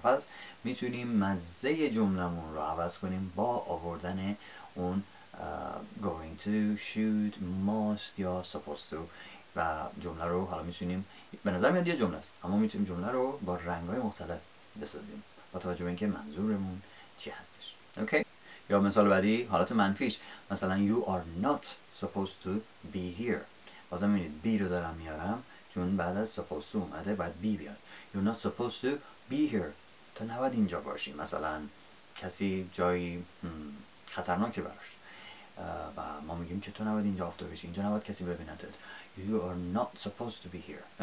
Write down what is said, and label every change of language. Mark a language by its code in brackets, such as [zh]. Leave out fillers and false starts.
[fa] پس میتونیم مزه جملمون رو عوض کنیم با آوردن اون going to, should, must یا supposed to. و جمله رو حالا میتونیم به نظر میاد یه جمله است، اما میتونیم جمله رو با رنگ‌های مختلف بسازیم با توجه به اینکه منظورمون چی هستش. اوکی okay. یا مثال بعدی حالت منفیش، مثلا [en] you are not supposed to be here. [fa] بازم میبینید بی رو دارم میارم چون بعد از supposed to اومده باید بی بیاد. [en] You're not supposed to be here. [fa] تو نباید اینجا باشی. مثلا کسی جایی خطرناکی براش و ما میگیم که تو نباید اینجا افتاده بشی، اینجا نباید کسی ببیندت. [en] You are not supposed to be here.